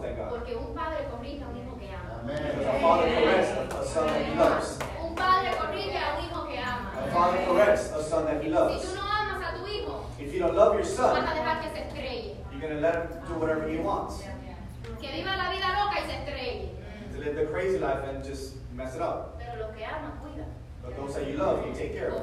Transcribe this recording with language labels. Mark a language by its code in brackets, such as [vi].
[en] A father corrects a son that he loves. [es] Un padre corrige a un hijo que ama. [en] A father corrects a son that he loves. [es] Si tú no amas a tu hijo, [en] if you don't love your son, [es] vas a dejar que se estrelle. [en] You're going to let him do whatever he wants. [es] Que viva la vida loca y se estrelle. [en] To live the crazy life and just mess it up. [es] Pero lo que ama, cuida. [en] But those that you love, you take care of.